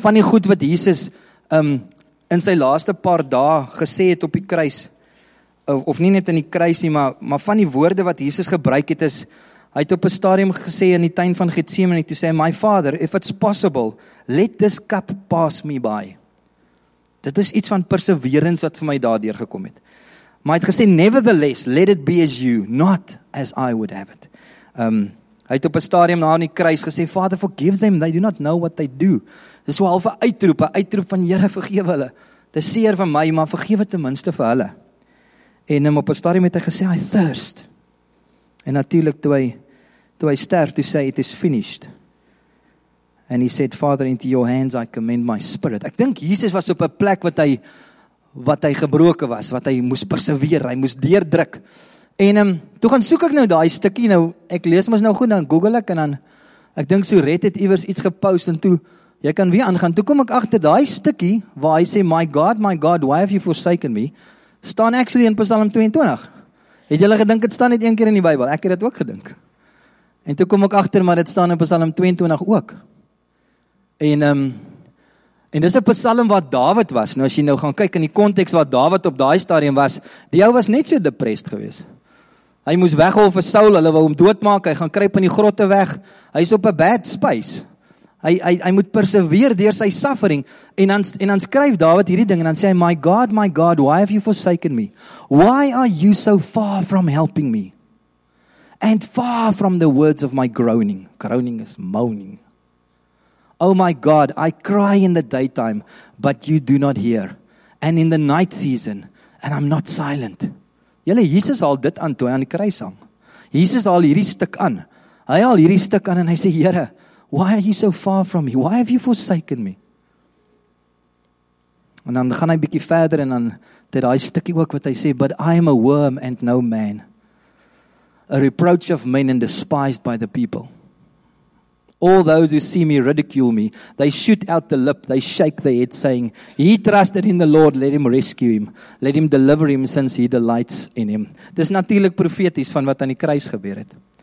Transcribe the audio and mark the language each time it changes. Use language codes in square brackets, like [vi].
[af] Van die goed wat Jesus in sy laaste paar dae gesê het op die kruis, of nie net in die kruis nie, maar van die woorde wat Jesus gebruik het is, hy het op 'n stadium gesê in die tuin van Getsemane, toe sê, [en] my Father, if it's possible, let this cup pass me by. [af] Dit is iets van perseverance wat vir my daardeur gekom het. Maar hy het gesê, [en] nevertheless, let it be as you, not as I would have it. [af] Hy het op 'n stadium na in die kruis gesê, [en] Father, forgive them, they do [af] not know what they do. Dit is so half een uitroep van, Here, vergewe hulle. Dit is seer van my, maar vergewe ten minste vir hulle. En op 'n stadium het hy gesê, [en] I thirst. [af] En natuurlik, toe hy sterf, toe sê, [en] it is finished. And he said, Father, into your hands I commend my spirit. [af] Ek dink Jesus was op 'n plek wat hy gebroken was, wat hy moes persevereer, hy moes deurdruk. En toe gaan soek ek nou daai stukkie, nou, ek lees mos nou goed, dan Google ek, en dan, ek dink so Red het iewers iets gepost, en toe, jy kan weer aangaan, toe kom ek achter daai stukkie, waar hy sê, [en] my God, why have you forsaken me, [af] staan actually in Psalm 22. Het julle gedink, het staan net een keer in die Bybel, ek het dit ook gedink. En toe kom ek achter, maar dit staan in Psalm 22 ook. En dis 'n psalm wat Dawid was, nou as jy nou gaan kyk in die konteks wat Dawid op daai stadium was, die ou was net so depressed gewees. Hy moes weghol vir Saul, hulle wou hom doodmaak, hy gaan kruip in die grotte weg, hy is op 'n [en] bad space. [af] Hy moet persevereer deur sy suffering, en dan skryf Dawid hierdie ding, en dan sê hy, [en] my God, why have you forsaken me? Why are you so far from helping me? And far from the words of my groaning. Groaning is moaning. Oh my God, I cry in the daytime, but you do not hear. And in the night season, and I'm not silent. [af] Julle, Jesus haal dit aan toe aan die kruis hang. Jesus haal hierdie stuk aan. Hy haal hierdie stuk aan en hy sê, Here, [en] why are you so far from me? Why have you forsaken me? [af] En dan gaan hy bietjie verder en dan dit daai stukkie ook wat hy sê, [en] but I am a worm and no man. A reproach of men and despised by the people. All those who see me ridicule me. They shoot out the lip. They shake their head saying, he trusted in the Lord. Let him rescue him. Let him deliver him since he delights in him. [af] Dis natuurlik profeties van wat aan die kruis gebeur het.